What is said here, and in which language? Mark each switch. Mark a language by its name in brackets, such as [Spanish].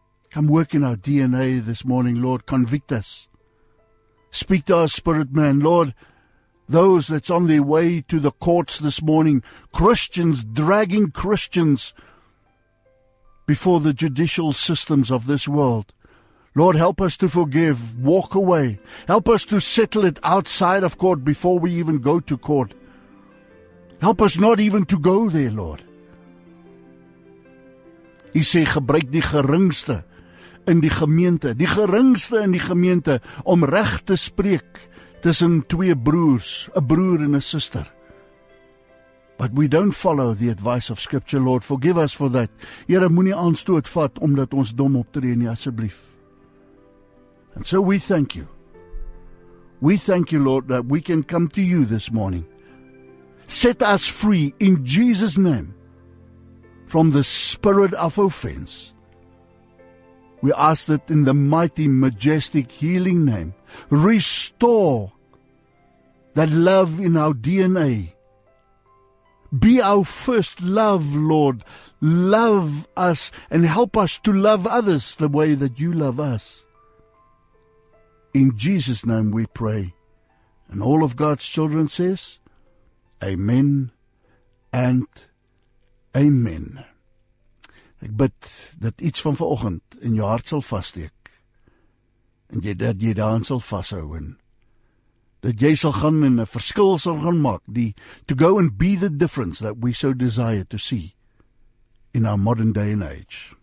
[English] Come work in our DNA this morning, Lord. Convict us. Speak to our spirit man, Lord, those that's on their way to the courts this morning, Christians, dragging Christians before the judicial systems of this world. Lord, help us to forgive, walk away. Help us to settle it outside of court before we even go to court. Help us not even to go there, Lord. He say, [Afrikaans] gebruik die geringste in die gemeente, die geringste in die gemeente, om reg te spreek tussen twee broers, 'n broer en 'n suster. [English] But we don't follow the advice of Scripture, Lord. Forgive us for that. [Afrikaans] Here, moenie aanstoot vat omdat ons dom optree nie, asseblief. [English] And so we thank you We thank you, Lord, that we can come to you this morning. Set us free in Jesus' name from the spirit of offense. We ask that in the mighty, majestic, healing name, restore that love in our DNA. Be our first love, Lord. Love us and help us to love others the way that you love us. In Jesus' name we pray. And all of God's children says, amen and amen. [Afrikaans] Ek bid dat iets van vanoggend in jou hart sal vassteek. En dat jy daaraan sal vashou. En dat jy sal gaan en 'n verskil sal gaan maak. [English] To go and be the difference that we so desire to see in our modern day and age.